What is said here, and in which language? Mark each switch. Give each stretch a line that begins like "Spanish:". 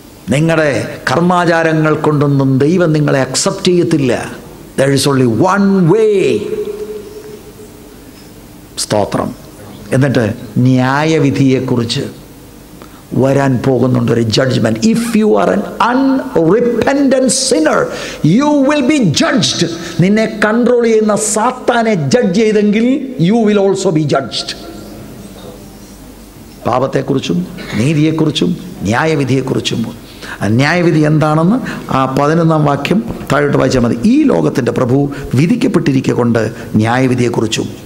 Malayalam: നിങ്ങളുടെ കർമാചാരങ്ങൾ കൊണ്ടൊന്നും ദൈവം നിങ്ങളെ അക്സെപ്റ്റ് ചെയ്യത്തില്ല.
English: There is only one way.
Malayalam: Stotram. എന്നിട്ട് ന്യായവിധിയെക്കുറിച്ച് വരാൻ പോകുന്നുണ്ട് ഒരു judgement.
English: If you are an unrepentant sinner, you will be judged.
Malayalam: നിന്നെ കൺട്രോൾ ചെയ്യുന്ന സാത്താനെ ജഡ്ജ് ചെയ്തെങ്കിൽ
English: you will also be judged.
Malayalam: പാപത്തെക്കുറിച്ചും നീതിയെക്കുറിച്ചും ന്യായവിധിയെക്കുറിച്ചും. അന്യായവിധി എന്താണെന്ന് ആ 11 വാക്യം താഴോട്ട് വായിച്ചാൽ മതി. ഈ ലോകത്തിൻ്റെ പ്രഭു വിധിക്കപ്പെട്ടിരിക്കുക കൊണ്ട് ന്യായവിധിയെക്കുറിച്ചും.